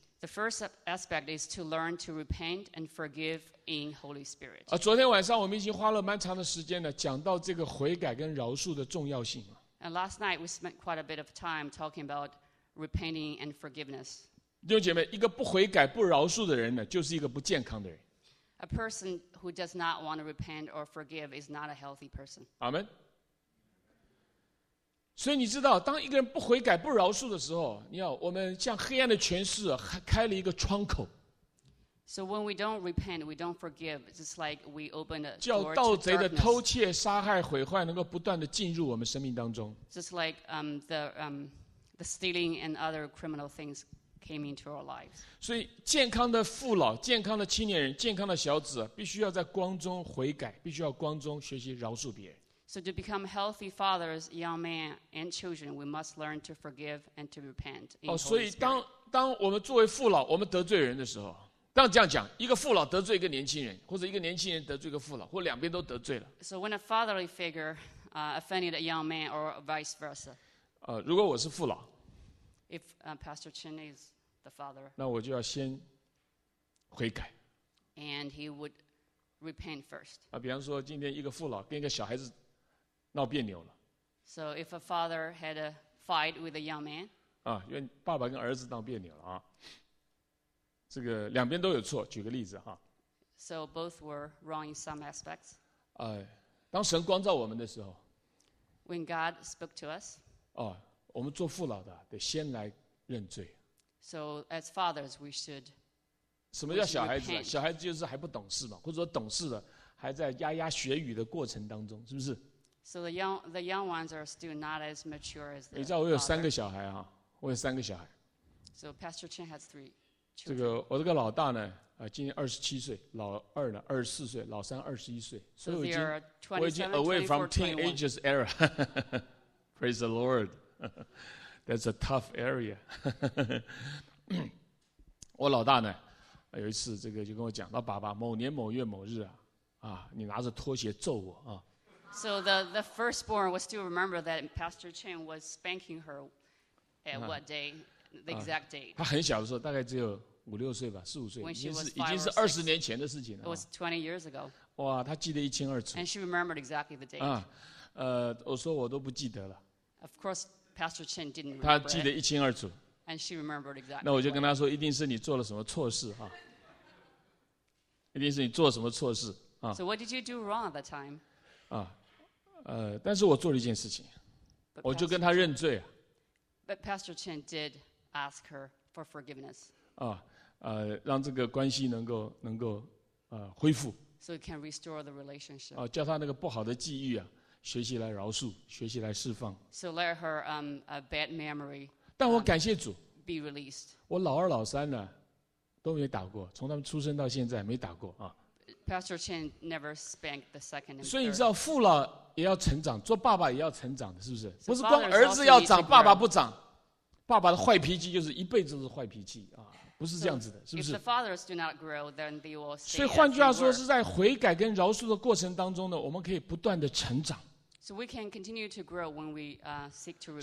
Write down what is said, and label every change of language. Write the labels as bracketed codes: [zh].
[en] The first aspect is to learn to repent and forgive in Holy Spirit. [zh] 昨天晚上我们已经花了蛮长的时间了，讲到这个悔改跟饶恕的重要性。 [en] And last night we spent quite a bit of time talking about repenting and forgiveness. [zh] 弟兄姐妹，一个不悔改、不饶恕的人呢，就是一个不健康的人。 [en] A person who does not want to repent or forgive is not a healthy person. Amen. [zh] 所以你知道，当一个人不悔改、不饶恕的时候，你要我们向黑暗的权势开了一个窗口。 [en] So when we don't repent, we don't forgive. It's like we open a door to darkness. [zh] 叫盗贼的偷窃、杀害、毁坏能够不断的进入我们生命当中。 [en] Just like the stealing and other criminal things. Came into our lives. [zh] 所以健康的父老、健康的青年人、健康的小子，必须要在光中悔改，必须要光中学习饶恕别人。 [en] So to become healthy fathers, young men and children, we must learn to forgive and to repent. [zh] 所以当我们作为父老，我们得罪人的时候，当这样讲，一个父老得罪一个年轻人，或者一个年轻人得罪一个父老，或两边都得罪了。 [en] So when a fatherly figure offended a young man or vice versa. [zh] 如果我是父老。 [en] If Pastor Chen is the father, [zh] 那我就要先悔改。 [en] And he would repent first. [zh] 比方说今天一个父老跟一个小孩子闹别扭了。 [en] So if a father had a fight with a young man, [zh] 因为爸爸跟儿子闹别扭了这个两边都有错。举个例子 [en] So both were wrong in some aspects. [zh] 当神光照我们的时候 [en] ，When God spoke to us, [zh] 我们做父老的得先来认罪。 [en] So as fathers, we should. [zh] 什么叫小孩子？小孩子就是还不懂事嘛，或者说懂事了，还在牙牙学语的过程当中，是不是 [en] ？So the young ones are still not as mature as the. [zh] 你知道我有三个小孩我有三个小孩。 [en] So Pastor Chen has three children. [zh] 这个我这个老大呢，今年27岁，老二呢24岁，老三21岁，所以我已经 [en] away from teenagers era. Praise the Lord. That's a tough area. [zh] 我老大呢，有一次这个就跟我讲，那爸爸某年某月某日你拿着拖鞋揍我。 [en] So the firstborn was still remember that Pastor Chen was spanking her at what day, the exact date. [zh] 他很小的时候，大概只有5、6岁吧，4、5岁，已经是20年前的事情了。 [en] It was 20 years ago. [zh] 哇，他记得一清二楚。 [en] And she remembered exactly the date. [zh] 我说我都不记得了。 [en] Of course, Pastor Chen didn't remember. [zh] 他记得一清二楚。 [en] And she remembered exactly. [zh] 那我就跟他说，一定是你做了什么错事。一定是你做什么错事。 [en] So what did you do wrong at that time? [zh] 但是我做了一件事情， [en] Pastor, [zh] 我就跟他认罪。 [en] But Pastor Chen did ask her for forgiveness. [zh] 让这个关系能够恢复。 [en] So it can restore the relationship. [zh] 叫他那个不好的记忆啊，学习来饶恕，学习来释放。 [en] So let her a bad memory. [zh] 但我感谢主。 [en] Be released. [zh] 我老二老三呢，都没打过，从他们出生到现在没打过啊。 [en] Pastor Chen never spanked the second and third. [zh] 所以你知道父老也要成长，做爸爸也要成长的，是不是？ [en] So、 [zh] 不是光儿子要长，爸爸不长，爸爸的坏脾气就是一辈子都是坏脾气啊，不是这样子的，是不是？ [en] If the fathers do not grow, then they will stay. [zh] 所以换句话说，是在悔改跟饶恕的过程当中呢，我们可以不断的成长。 [en] So we can continue to grow when we seek to repent.